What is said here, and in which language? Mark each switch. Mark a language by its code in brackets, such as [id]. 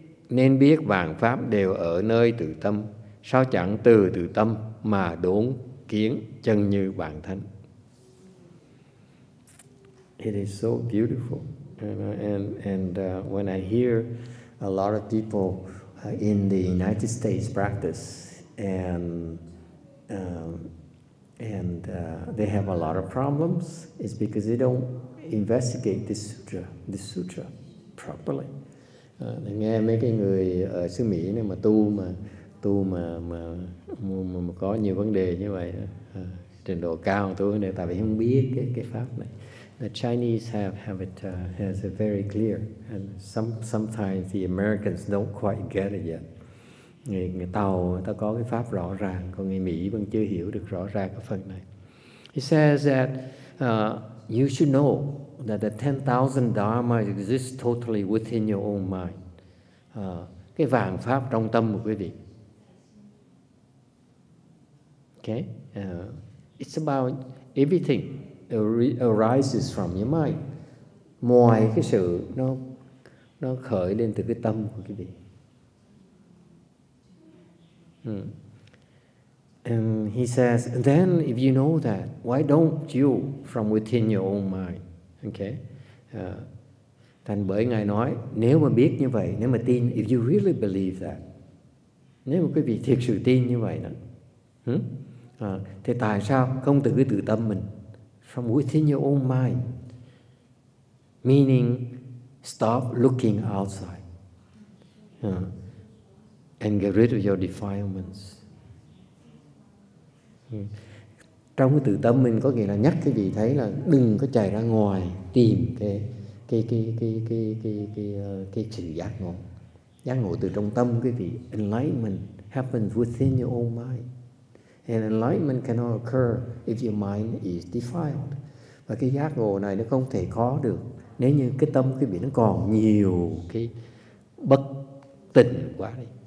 [vi] Nên biết vạn pháp đều ở nơi tự tâm. Sao chẳng từ tự tâm mà đốn kiến chân như bản thân. [en] It is so beautiful. And when I hear a lot of people in the United States practice and they have a lot of problems, it's because they don't investigate this sutra properly. [vi] Nghe mấy cái người ở xứ Mỹ này mà tu mà có nhiều vấn đề như vậy trình độ cao tu này tại vì không biết cái pháp này. [en] The Chinese have it has it very clear, and sometimes the Americans don't quite get it yet. [vi] Người ta có cái pháp rõ ràng, còn người Mỹ vẫn chưa hiểu được rõ ràng cái phần này. [en] He says that you should know that the 10,000 dharma exist totally within your own mind. [vi] Cái vạn pháp trong tâm của quý vị. [en] Okay, it's about everything arises from your mind. [vi] Mọi cái sự nó khởi lên từ cái tâm của quý vị. [en] And he says, then if you know that, why don't you, from within your own mind, okay? [vi] Thành bởi Ngài nói, nếu mà biết như vậy, nếu mà tin, [en] if you really believe that, [vi] nếu mà quý vị thiệt sự tin như vậy đó, thì tại sao không từ cái tự tâm mình, [en] from within your own mind, meaning stop looking outside and get rid of your defilements. [vi] Trong cái tự tâm mình có nghĩa là nhắc cái gì thấy là đừng có chạy ra ngoài tìm cái sự giác ngộ. Giác ngộ từ trong tâm quý vị. [en] Enlightenment happens within your own mind. And enlightenment cannot occur if your mind is defiled. [vi] Và cái giác ngộ này nó không thể có được nếu như cái tâm quý vị nó còn nhiều cái bất tịnh quá đi.